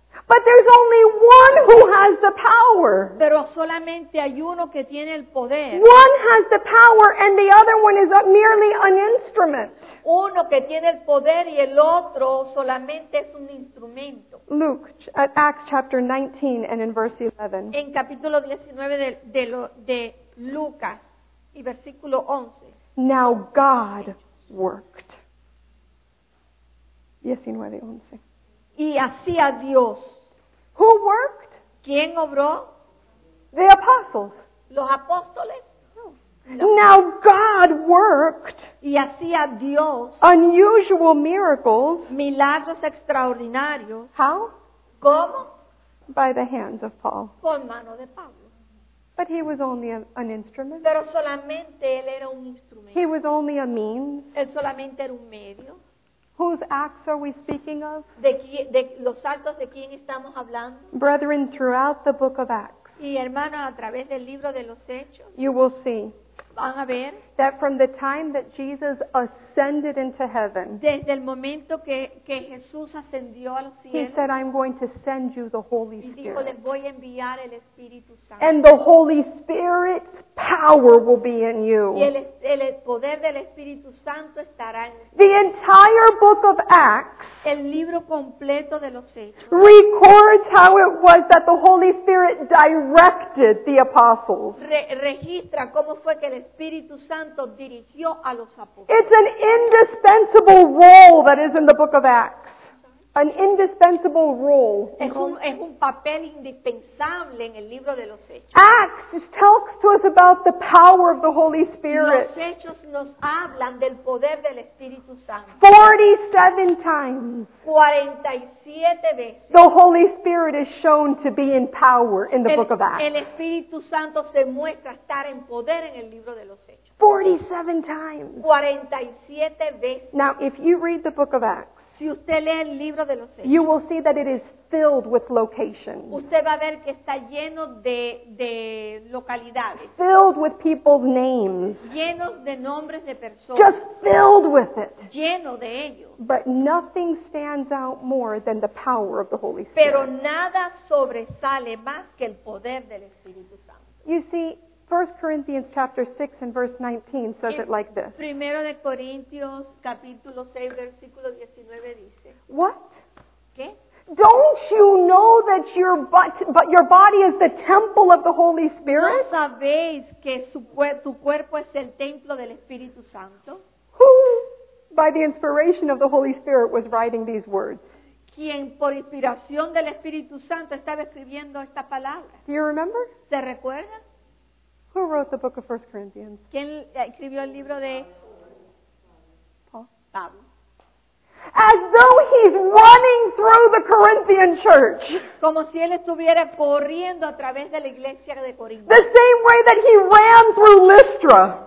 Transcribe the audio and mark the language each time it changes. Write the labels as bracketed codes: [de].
[en] But there's only one who has the power. [es] Pero solamente hay uno que tiene el poder. [en] One has the power and the other one is merely an instrument. [es] Uno que tiene el poder y el otro solamente es un instrumento. [en] Luke, at Acts chapter 19 and in verse 11. [es] En capítulo 19 de Lucas y versículo 11. [en] Now God worked. 19:11. [es] Y hacía Dios. [en] Who worked? [es] ¿Quién obró? [en] The apostles. [es] ¿Los apóstoles? No. [en] Now God worked. [es] Y hacía Dios [en] unusual miracles. [es] Milagros extraordinarios. [en] How? [es] ¿Cómo? [en] By the hands of Paul. [es] Por mano de Pablo. [en] But he was only an instrument. [es] Pero solamente él era un instrumento. [en] He was only a means. [es] Él solamente era un medio. [en] Whose acts are we speaking of? [es] De los actos de quién estamos hablando? [en] Brethren, throughout the book of Acts. [es] Y hermanos, a través del libro de los Hechos. [en] You will see. [es] Van a ver. [en] That from the time that Jesus ascended into heaven. [es] Desde el momento que Jesús ascendió a los cielos. [en] He said, I'm going to send you the Holy Spirit. [es] Y dijo, les voy a enviar el Espíritu Santo. [en] And the Holy Spirit's power will be in you. [es] Y el poder del Espíritu Santo estará en ti. [en] The entire book of Acts. [es] El libro completo de los Hechos. [en] Records how it was that the Holy Spirit directed the apostles. [es] Registra cómo fue que el Espíritu Santo dirigió a los apóstoles. [en] It's an indispensable role that is in the book of Acts. An indispensable role. [es] Es un papel indispensable en el libro de los Hechos. [en] Acts talks to us about the power of the Holy Spirit. [es] Los Hechos nos hablan del poder del Espíritu Santo. [en] 47 times. [es] 47 veces. [en] The Holy Spirit is shown to be in power in the book of Acts. [es] El Espíritu Santo se muestra estar en poder en el libro de los Hechos. [en] 47 times. [es] 47 veces. [en] Now, if you read the book of Acts, [es] si usted lee el libro de los Hechos, [en] you will see that it is filled with locations. [es] Usted va a ver que está lleno de localidades. [en] Filled with people's names. [es] Llenos de nombres de personas. [en] Just filled with it. [es] Lleno de ellos. [en] But nothing stands out more than the power of the Holy Spirit. [es] Pero nada sobresale más que el poder del Espíritu Santo. [en] You see, 1 Corinthians chapter 6 and verse 19 says it like this. [es] Primero de Corintios capítulo 6 versículo 19 dice. [en] What? [es] ¿Qué? [en] Don't you know that but your body is the temple of the Holy Spirit? [es] ¿No sabéis que tu cuerpo es el templo del Espíritu Santo? [en] Who, by the inspiration of the Holy Spirit, was writing these words? [es] Quien por inspiración del Espíritu Santo estaba escribiendo esta palabra. [en] Do you remember? [es] ¿Se recuerdan? [en] Who wrote the book of 1 Corinthians? [es] ¿Quién escribió el libro de Pablo? [en] As though he's running through the Corinthian church. [es] Como si él estuviera corriendo a través de la iglesia de Corinto. [en] The same way that he ran through Lystra.